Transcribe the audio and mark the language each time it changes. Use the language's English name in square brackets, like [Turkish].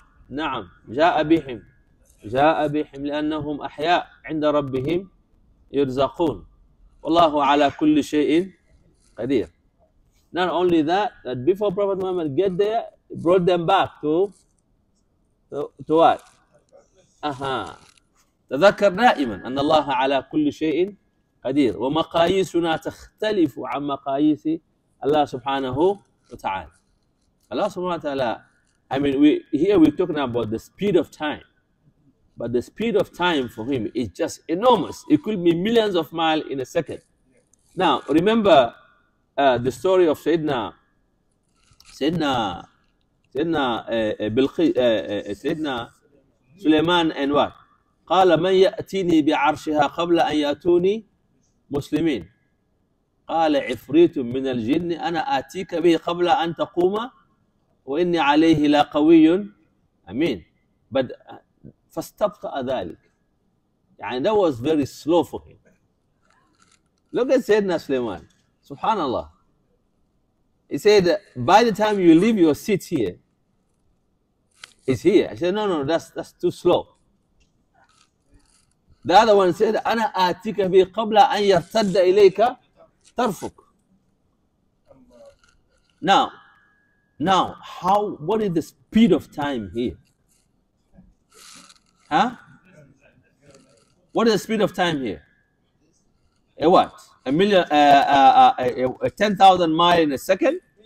[Arabic] نعم جاء بهم لأنهم أحياء عند ربهم يرزقون والله على كل شيء قدير. [English] Not only that before Prophet Muhammad get there, he brought them back to what? [Arabic] تذكر دائما أن الله على كل شيء قدير ومقاييسنا تختلف عن مقاييس الله سبحانه وتعالى. [English] الله سبحانه وتعالى, I mean, here we're talking about the speed of time. But the speed of time for him is just enormous. It could be millions of miles in a second. Now, remember the story of Sayyidina Sulaiman and what? [Arabic] قال من يأتيني بعرشها قبل أن يأتوني مسلمين. قال عفريت من الجن أنا آتيك به قبل أن تقوم وإني عليه لا قوي أمين. [English] But [Arabic] فاستبطأ ذلك. يعني [English] that was very slow for him. Look at [Arabic] سيدنا سليمان. سبحان الله. [English] He said, by the time you leave your seat here, it's here. I said, no, that's too slow. The other one said, [Arabic] أنا آتيك به قبل أن يرتد إليك طرفك. [English] Now, what is the speed of time here? Huh? What is the speed of time here? A what? A million, 10,000 miles in a second?